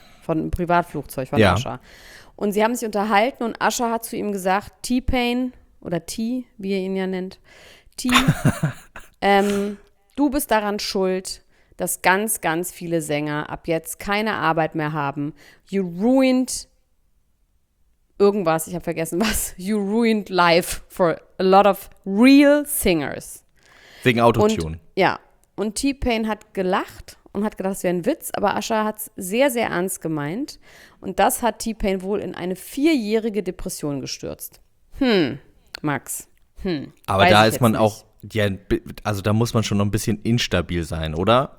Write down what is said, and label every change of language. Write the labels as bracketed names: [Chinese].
[German] Von einem Privatflugzeug von Usher. Und sie haben sich unterhalten und Usher hat zu ihm gesagt, T-Pain, oder T, wie er ihn ja nennt, T, du bist daran schuld, dass ganz, ganz viele Sänger ab jetzt keine Arbeit mehr haben. [English] You ruined [German] irgendwas, ich habe vergessen was. [English] You ruined life for a lot of real singers. [German] Wegen Autotune. Und T-Pain hat gelacht. Und hat gedacht, es wäre ein Witz, aber Usher hat es sehr, sehr ernst gemeint. Und das hat T-Pain wohl in eine 4-jährige Depression gestürzt. Aber da ist man auch, also da muss man schon noch ein bisschen instabil sein, oder?